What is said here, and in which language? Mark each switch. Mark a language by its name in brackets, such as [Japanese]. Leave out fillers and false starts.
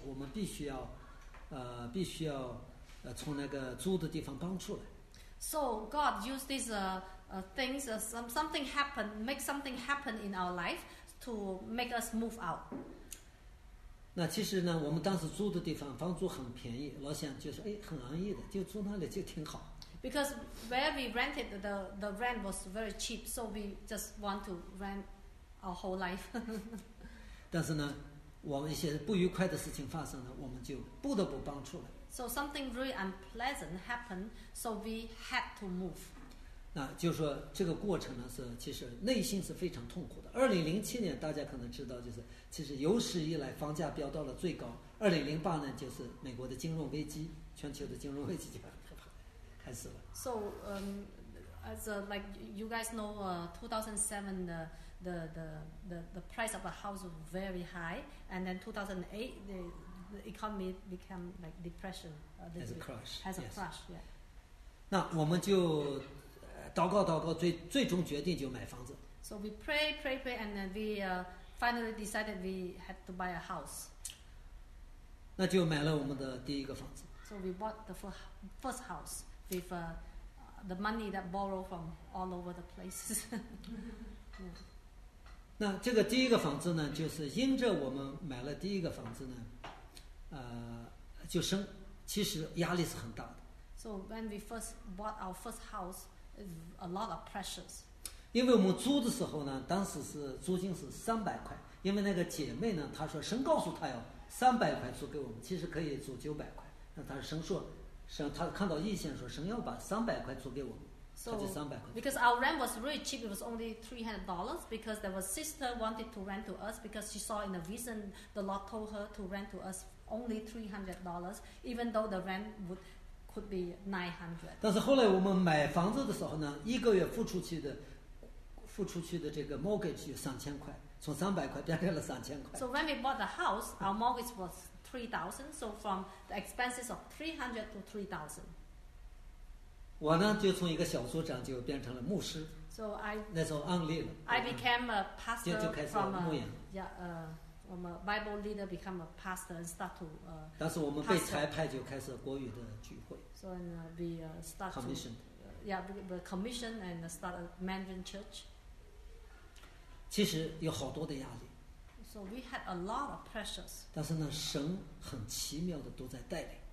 [Chinese] 我们必须要从那个租的地方搬出来。 [English] So God used these things. Something happened. Make something happen in our life. To make us move out. [Chinese] 那其实呢，我们当时租的地方房租很便宜，老想就是很安逸的，就租那里就挺好。 [English] Because where we rented the rent was very cheap, so we just want to rent our whole life. [Chinese] 但是呢，我们一些不愉快的事情发生了，我们就不得不搬出来。 [English] So something really unpleasant happened, so we had to move. [Chinese] 那就是说这个过程呢是其实内心是非常痛苦的。 2007年大家可能知道，就是其实有史以来房价飙到了最高。 2008年就是美国的金融危机，全球的金融危机就开始了。 [English] So, as like you guys know, 2007 the price of a house was very high, and then 2008 the economy became like depression. Has a crash. Has a crash. Yeah. [Chinese] 那我们就祷告祷告，最终决定就买房子。 [English] So we pray, and then we finally decided we had to buy a house. [Chinese] 那就买了我们的第一个房子。 [English] So we bought the first house with the money that borrowed from all over the places. [Chinese] 那这个第一个房子呢，就是因着我们买了第一个房子呢，就升，其实压力是很大的。 [English] So when we first bought our first house, a lot of pressures. [Chinese] 因为我们租的时候呢，当时是租金是300块，因为那个姐妹呢，她说神告诉她要300块租给我们，其实可以租900块，那她神说，神她看到异象说神要把300块租给我们，她就300块。 [English] So, because our rent was really cheap, it was only $300. Because there was sister wanted to rent to us because she saw in the vision the Lord told her to rent to us only $300, even though the rent would. Could be 900. [Chinese] 但是后来我们买房子的时候呢，一个月付出去的这个 mortgage 有3000块，从300块变成了3000块。 [English] So when we bought the house, our mortgage was 3000. So from the expenses of 300 to 3000. [Chinese] 我呢就从一个小组长就变成了牧师。 [English] So I [Chinese] 那时候安利了。 [English] I became a pastor. [Chinese] 就开始牧养。 [English] 我们 Bible leader become a pastor and start to. [Chinese] 但是我们被裁派就开始国语的聚会。 [English] So and we start commission. We commission and start a Mandarin church. [Chinese] 其实有好多的压力。 [English] So we had a lot of pressures. [Chinese] 但是呢，神很奇妙的都在带领。